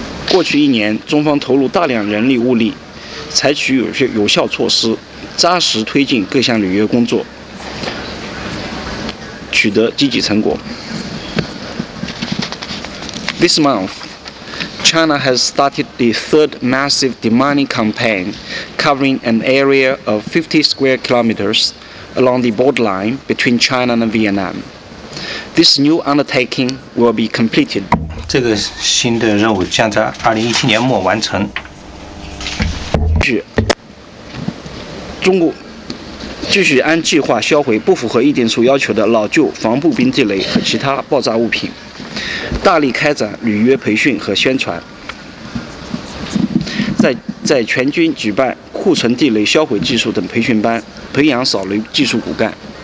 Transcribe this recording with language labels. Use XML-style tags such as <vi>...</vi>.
<zh>过去一年，中方投入大量人力物力，采取有效措施，扎实推进各项履约工作，取得积极成果。</zh> <en>This month, China has started the third massive demining campaign covering an area of 50 square kilometers along the borderline between China and Vietnam. This new undertaking will be completed.</en> <zh>这个新的任务将在2017年末完成。中国继续按计划销毁不符合议定书要求的老旧防步兵地雷和其他爆炸物品，大力开展履约培训和宣传，在全军举办库存地雷销毁技术等培训班，培养扫雷技术骨干。</zh>